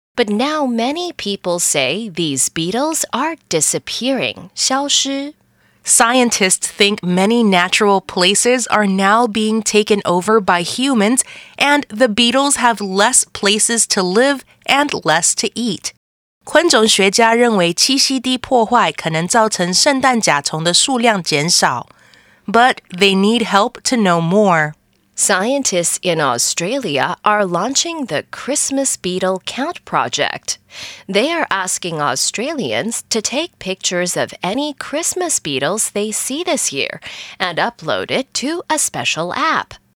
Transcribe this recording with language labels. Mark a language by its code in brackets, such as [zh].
[en] But now many people say these beetles are disappearing. [zh] 消失 [en] Scientists think many natural places are now being taken over by humans, and the beetles have less places to live and less to eat. [zh] 昆虫学家认为栖息地破坏可能造成圣诞甲虫的数量减少。 [en] But they need help to know more. Scientists in Australia are launching the Christmas Beetle Count Project. They are asking Australians to take pictures of any Christmas beetles they see this year and upload it to a special app.